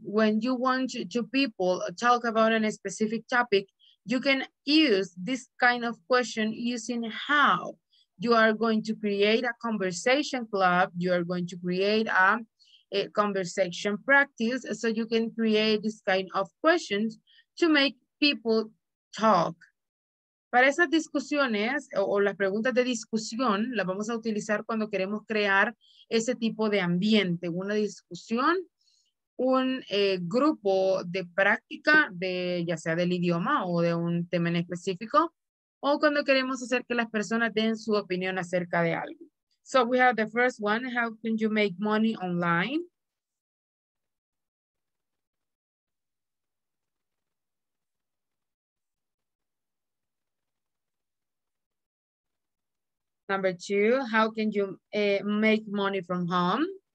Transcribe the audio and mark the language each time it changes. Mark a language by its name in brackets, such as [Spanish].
[English] When you want to people talk about a specific topic, you can use this kind of question using how. You are going to create a conversation club. You are going to create a conversation practice. So you can create this kind of questions to make people talk. [Spanish] Para esas discusiones o las preguntas de discusión las vamos a utilizar cuando queremos crear ese tipo de ambiente, una discusión, un grupo de práctica de ya sea del idioma o de un tema en específico, o cuando queremos hacer que las personas den su opinión acerca de algo. [English] So we have the first one, how can you make money online? Number two, how can you make money from home?